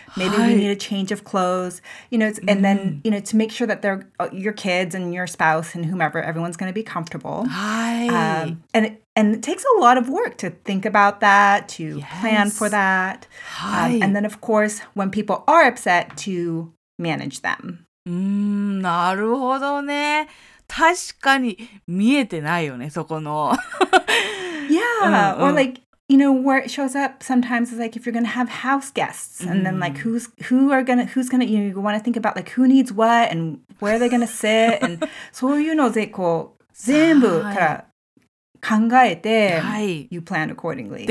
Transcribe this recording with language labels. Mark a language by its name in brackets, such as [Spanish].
[English] Maybe we need a change of clothes. You know, and then, you know, to make sure that they're, your kids and your spouse and whomever, everyone's going to be comfortable. And it takes a lot of work to think about that, to plan for that. And then, of course, when people are upset, to manage them. [Japanese] なるほどね。確かに見えてないよね、そこの。 [English] Yeah, or like, you know, where it shows up sometimes is like if you're going to have house guests, and then like who's going to, you know, you want to think about like who needs what and where are they going to sit, and [Japanese] そういうのでこう全部から考えて、 [English] you plan accordingly.